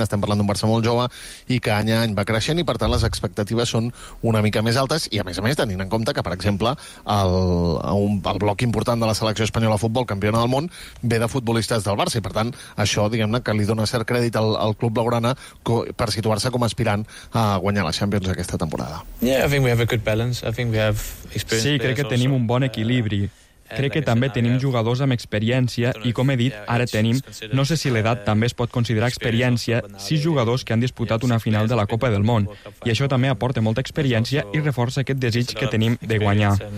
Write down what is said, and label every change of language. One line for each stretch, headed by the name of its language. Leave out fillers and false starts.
Catalan: Estem parlant d'un Barça molt jove i que any a any va creixent, i per tant les expectatives són una mica més altes, i a més tenint en compte que, per exemple, el bloc important de la selecció espanyola de futbol, campiona del món, ve de futbolistes del Barça, i per tant això, diguem-ne, que li dona cert crèdit al club blaugrana per situar-se com aspirant a guanyar la Champions aquesta temporada.
English: Yeah, I think we have a good balance. I think we have experience.
Catalan: Sí, crec que tenim un bon equilibri. Crec que també tenim jugadors amb experiència i, com he dit, ara tenim, no sé si l'edat també es pot considerar experiència, 6 jugadors que han disputat una final de la Copa del Món. I això també aporta molta experiència i reforça aquest desig que tenim de guanyar.